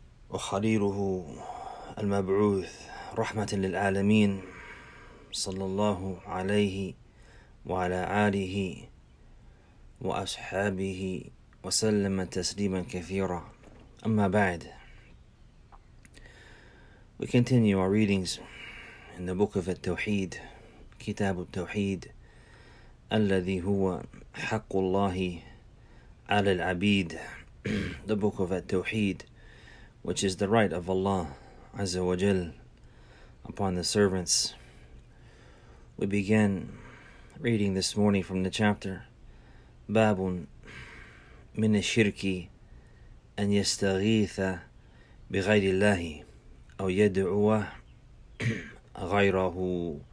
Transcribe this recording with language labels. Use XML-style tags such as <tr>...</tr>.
<ar>وخليله المبعوث رحمة للعالمين، صلى الله عليه وعلى آله وأصحابه وسلم تسليما كثيرا. أما بعد،</ar> <en>we continue our readings in the book of</en> <ar>التوحيد، كتاب التوحيد، الذي هو حق الله على العبيد.</ar> <en>The book of التوحيد, which is the right of Allah عز وجل upon the servants. We begin reading this morning from the chapter</en> <ar>بَابٌ مِنَ الشِّرْكِ أَنْ يَسْتَغِيثَ بِغَيْرِ اللَّهِ أَوْ يَدْعُوَ غَيْرَهُ.</ar>